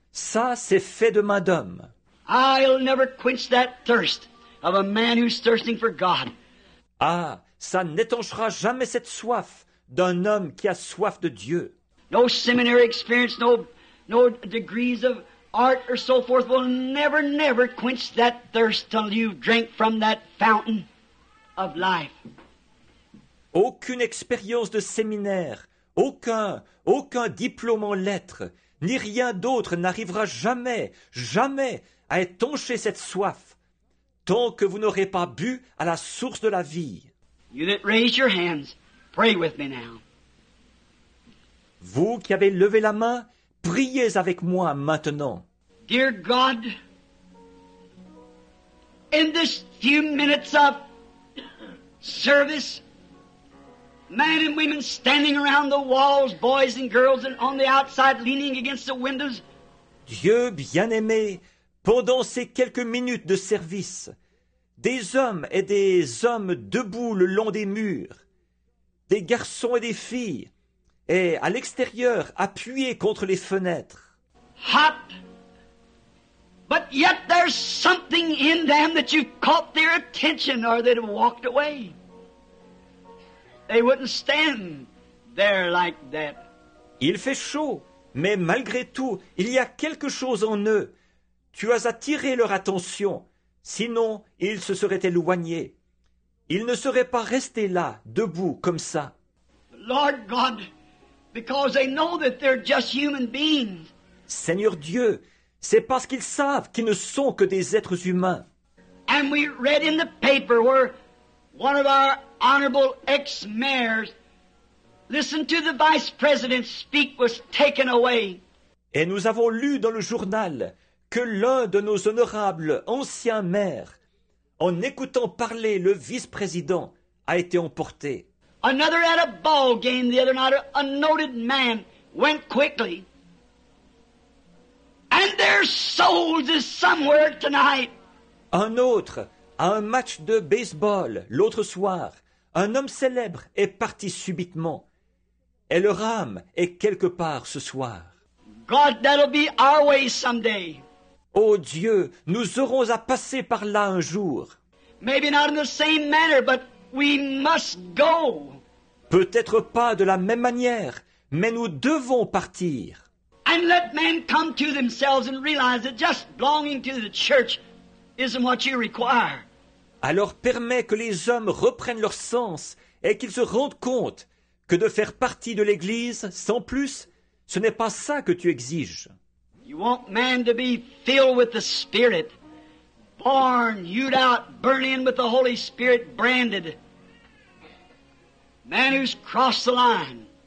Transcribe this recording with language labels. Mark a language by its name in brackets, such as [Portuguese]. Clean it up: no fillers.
[French] Ça, c'est fait de main d'homme. [English] I'll never quench that thirst of a man who's thirsting for God. [French] Ah, ça n'étanchera jamais cette soif d'un homme qui a soif de Dieu. [English] No seminary experience, no degrees of art or so forth will never, never quench that thirst till you drink from that fountain of life. [French] Aucune expérience de séminaire, aucun diplôme en lettres, ni rien d'autre n'arrivera jamais, jamais à étancher cette soif, tant que vous n'aurez pas bu à la source de la vie. [English] You that raise your hands, pray with me now. [French] Vous qui avez levé la main, priez avec moi maintenant. [English] Dear God, in this few minutes of service, men and women standing around the walls, boys and girls, and on the outside leaning against the windows. [French] Dieu bien-aimé, pendant ces quelques minutes de service, des hommes et des hommes debout le long des murs, des garçons et des filles, et à l'extérieur appuyés contre les fenêtres. Hop! [English] But yet there's something in them that you've caught their attention or they'd have walked away. They wouldn't stand there like that. [French] Il fait chaud, mais malgré tout, il y a quelque chose en eux. Tu as attiré leur attention, sinon ils se seraient éloignés. Ils ne seraient pas restés là, debout, comme ça. [English] Lord God, because they know that they're just human beings. [French] Seigneur Dieu, c'est parce qu'ils savent qu'ils ne sont que des êtres humains. [English] And we read in the paper where one of our honorable ex-mayors listened to the vice president speak was taken away. [French] Et nous avons lu dans le journal que l'un de nos honorables anciens maires, en écoutant parler le vice-président, a été emporté. [English] Another at a ball game the other night, a noted man went quickly. And their souls is somewhere tonight. [French] Un autre, à un match de baseball l'autre soir, un homme célèbre est parti subitement. Et leur âme est quelque part ce soir. [English] God, that'll be our way someday. [French] Oh Dieu, nous aurons à passer par là un jour. [English] Maybe not in the same manner, but we must go. [French] Peut-être pas de la même manière, mais nous devons partir. [English] And let men come to themselves and realize that just belonging to the church isn't what you require. [French] Alors permet que les hommes reprennent leur sens et qu'ils se rendent compte que de faire partie de l'Église, sans plus, ce n'est pas ça que tu exiges. [English] You want man to be filled with the Spirit, born, hewed out, burned in with the Holy Spirit, branded. Man who's crossed the line.